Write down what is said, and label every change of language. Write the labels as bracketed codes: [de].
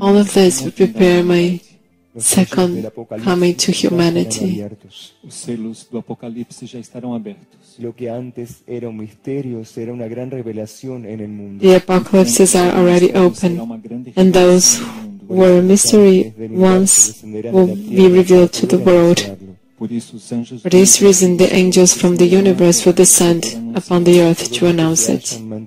[en] All of this will prepare my second coming to humanity. [pt] Os selos do Apocalipse já estarão abertos. [es] Lo que antes era un misterio será una gran revelación en el mundo. [en] The apocalypses are already open, and those who were a mystery once will be revealed to the world. For this reason, the angels from the universe will descend upon the earth to announce it.